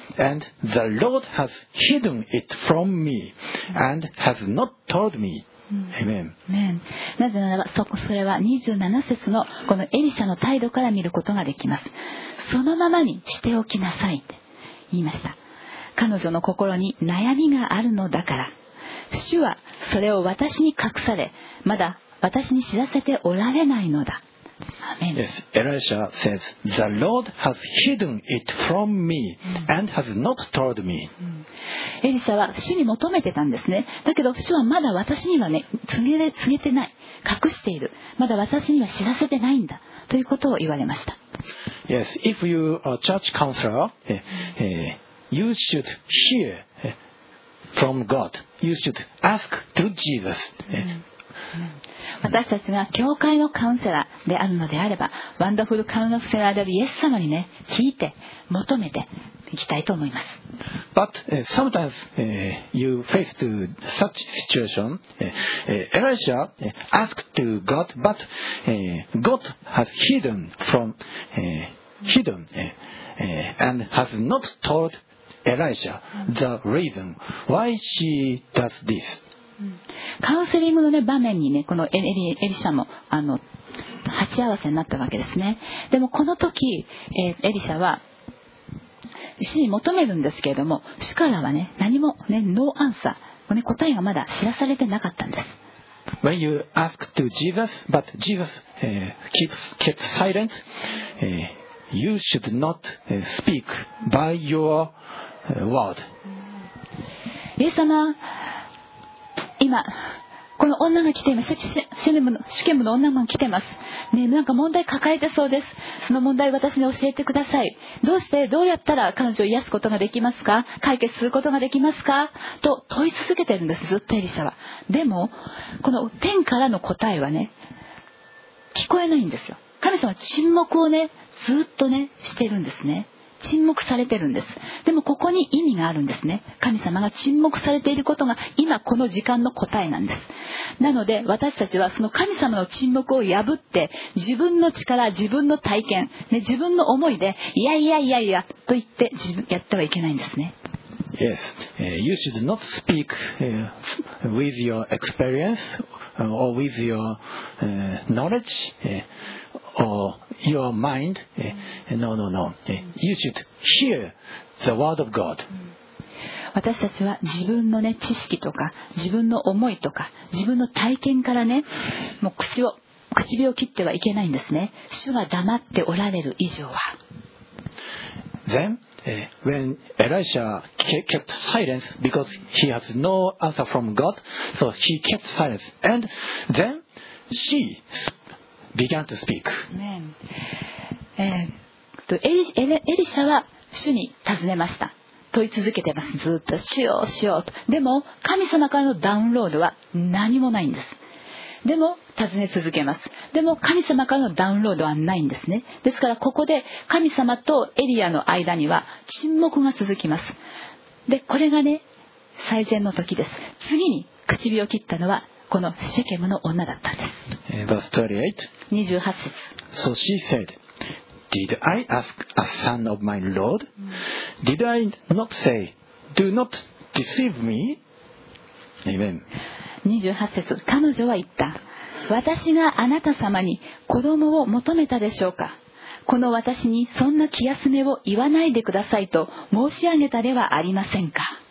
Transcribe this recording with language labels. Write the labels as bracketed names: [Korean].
[English] And the Lord has hidden it from me and has not told me. Amen. [Japanese] なぜならば、それは27節のこのエリシャの態度から見ることができます。そのままにしておきなさいと言いました。彼女の心に悩みがあるのだから、主はそれを私に隠され、まだ私に知らせておられないのだ。 [English] Amen. Yes, Elisha says, The Lord has hidden it from me and has not told me. [Japanese] エリシャは主に求めてたんですね。だけど主はまだ私にはね、告げてない。隠している。まだ私には知らせてないんだ。ということを言われました。 [English] Yes, if you are a church counselor, you should hear from God. You should ask to Jesus. [Japanese] 私たちが教会のカウンセラーであるのであれば、ワンダフルカウンセラーであるイエス様にね、聞いて求めていきたいと思います。 [English] But sometimes you face to such situation. Elisha asked to God, but God has hidden from hidden and has not told Elisha the reason why she does this. [Japanese] カウンセリングの、ね、場面に、ね、このエリシャも鉢合わせになったわけですね。でもこの時、エリシャは主に求めるんですけれども、主からは、ね、何も、ね、ノーアンサー、ね、答えがまだ知らされてなかったんです。 [English] When you ask to Jesus but Jesus kept silent you should not speak by your word. [Japanese] イエス様、今この女が来ています。主権部の女が来ています。ね、なんか問題抱えてそうです。その問題私に教えてください。どうしてどうやったら彼女を癒すことができますか、解決することができますかと問い続けているんです、ずっとエリシャは。でもこの天からの答えはね、聞こえないんですよ。神様は沈黙をね、ずっとねしているんですね。沈黙されてるんです。でもここに意味があるんですね。神様が沈黙されていることが今この時間の答えなんです。なので私たちはその神様の沈黙を破って、自分の力、自分の体験、ね、自分の思いでいやいやいやいやと言って自分やってはいけないんですね。 [English] Yes, you should not speak with your experience or with your knowledge or your mind. No, no, no. You should hear the word of God. [Japanese] 私たちは自分の、ね、知識とか自分の思いとか自分の体験からね、もう口を切ってはいけないんですね。主は黙っておられる以上は。 [English] Then, when Elisha kept silence because he has no answer from God, so he kept silence. And then she began to speak. [Japanese] エリシャは主に尋ねました。問い続けてます、ずっと、主よ主よと。でも神様からのダウンロードは何もないんです。でも尋ね続けます。でも神様からのダウンロードはないんですね。ですからここで神様とエリアの間には沈黙が続きます。でこれがね、最善の時です。次に唇を切ったのはこのシェケムの女だったんです。 [English] Verse 28. So she said, Did I ask a son of my Lord? Did I not say, Do not deceive me? Amen. [Japanese] 28節、彼女は言った。私があなた様に子供を求めたでしょうか。この私にそんな気休めを言わないでくださいと申し上げたではありませんか。